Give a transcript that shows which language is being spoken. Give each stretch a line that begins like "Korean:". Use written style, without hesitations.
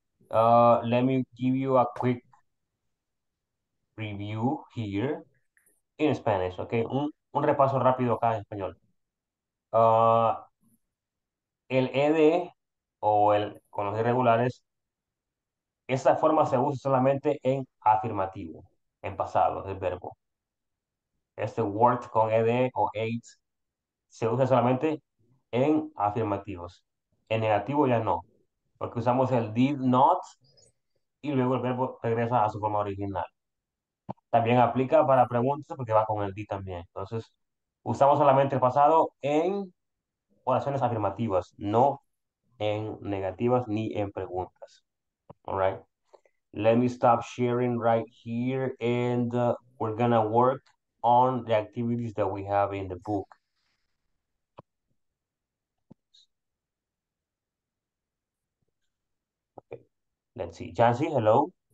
English: Let me give you a quick review here in Spanish.
Spanish: Okay. Un repaso rápido acá en español. El ED o el con los irregulares, esa forma se usa solamente en afirmativo, en pasado, el verbo. Este word con ED o ate se usa solamente en afirmativos. En negativo ya no, porque usamos el did not y luego el verbo regresa a su forma original. También aplica para preguntas porque va con el did también. Entonces, usamos solamente el pasado en oraciones afirmativas, no en negativas ni en preguntas.
English: All right. Let me stop sharing right here and we're going to work on the activities that we have in the book. Okay. Let's see. Jancy, hello.